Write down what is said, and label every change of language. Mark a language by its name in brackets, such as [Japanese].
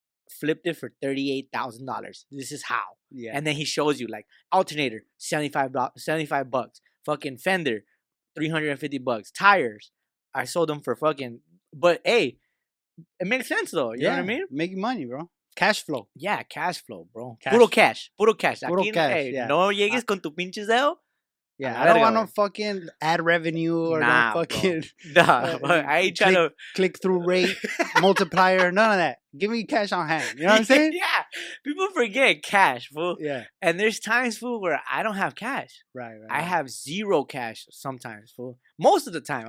[English] Flipped it for $38,000. This is how. Yeah. And then he shows you like alternator, $75. Fucking fender, $350. Tires, I sold them for fucking. But hey, it makes sense though. You know what I mean? Making money, bro. Cash flow. Yeah, cash flow, bro. Cash. [Spanish] Puro [English] cash. [Spanish] Puro cash. [English] Hey, yeah. [Spanish] No llegues con tu pinches dedo. [English] Yeah, I don't want no fucking ad revenue or I ain't trying click through rate multiplier, none of that. Give me cash on hand. You know what I'm saying? Yeah. People forget cash, fool. Yeah. And there's times, fool, where I don't have cash. Right, right. I have zero cash sometimes, fool. Most of the time.